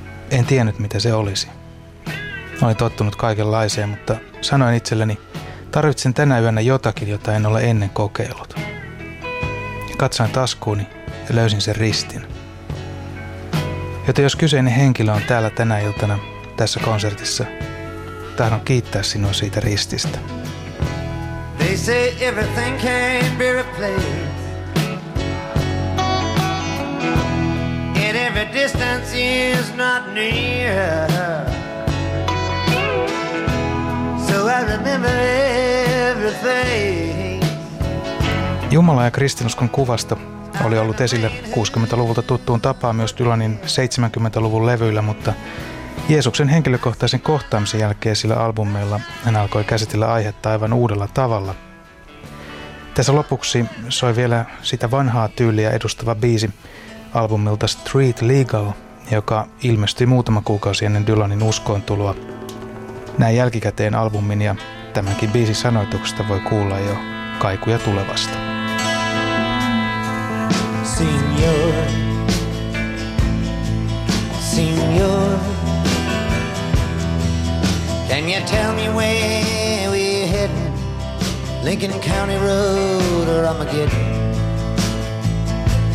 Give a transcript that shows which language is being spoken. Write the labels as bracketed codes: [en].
[fi] En tiennyt, mitä se olisi. Olin tottunut kaikenlaiseen, mutta sanoin itselleni, tarvitsen tänä yönä jotakin, jota en ole ennen kokeillut. Katsoin taskuuni ja löysin sen ristin. Joten jos kyseinen henkilö on täällä tänä iltana tässä konsertissa, tahdon kiittää sinua siitä rististä. [en] They say everything can be replaced. And every distance is not near. So I remember everything. [fi] Jumala ja kristinuskon kuvasto oli ollut esille 60-luvulta tuttuun tapaan myös Dylanin 70-luvun levyillä, mutta Jeesuksen henkilökohtaisen kohtaamisen jälkeen sillä albumilla hän alkoi käsitellä aihetta aivan uudella tavalla. Tässä lopuksi soi vielä sitä vanhaa tyyliä edustava biisi albumilta Street Legal, joka ilmestyi muutama kuukausi ennen Dylanin uskoontuloa. Näin jälkikäteen albumin ja tämänkin biisin sanoituksesta voi kuulla jo kaikuja tulevasta. [en] Señor, Señor, can you tell me where we're heading? Lincoln County Road or Armageddon?